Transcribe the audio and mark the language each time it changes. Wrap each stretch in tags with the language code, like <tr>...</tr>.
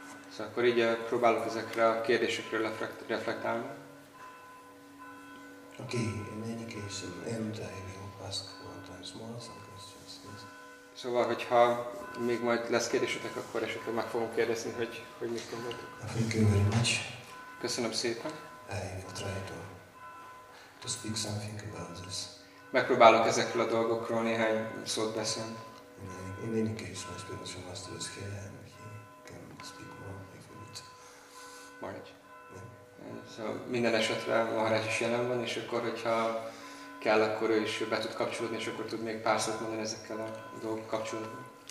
<hu>So, akkor így próbálok ezekre a kérdésekre reflektálni.</hu> <en>Okay, in any case, and I will ask one time more some questions. Yes.</en> <hu>Szóval, hogyha még majd lesz kérdésetek, akkor esetleg meg fogom kérdezni, hogy mit gondoltok.</hu> <en>Thank you very much.</en> <hu>Köszönöm szépen.</hu> <en>I will try to speak something about this.</en> <hu>Megpróbálok ezekről a dolgokról néhány szót beszélni.</hu> <en>In any case, my spiritual master is here, and he can speak more if you need. Maharaj.</en> <hu>So, minden esetre Maharaj is jelen van, és akkor, hogyha kell, akkor ő is be tud kapcsolódni, és akkor tud még pár szót mondani ezekkel a dolgok kapcsolódni.</hu>